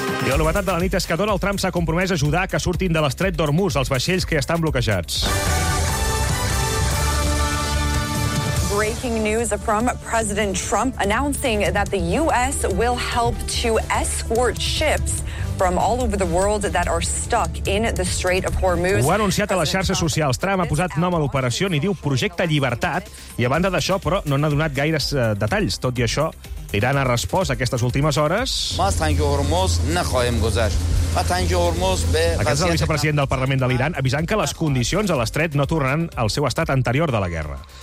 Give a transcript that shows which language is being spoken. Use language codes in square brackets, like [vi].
[ca] La novetat de la nit és que Donald Trump s'ha compromès a ajudar que surtin de l'estret d'Hormuz els vaixells que estan bloquejats. [en] breaking news from President Trump announcing that the U.S. will help to escort ships from all over the world that are stuck in the Strait of Hormuz. [ca] Ho ha anunciat a les xarxes socials. Trump ha posat nom a l'operació i diu Projecte Llibertat. I a banda d'això, però, no n'ha donat gaires detalls. Tot i això, l'Iran ha respost aquestes últimes hores. Aquest és el vicepresident del Parlament de l'Iran avisant que les condicions a l'estret no tornaran al seu estat anterior de la guerra.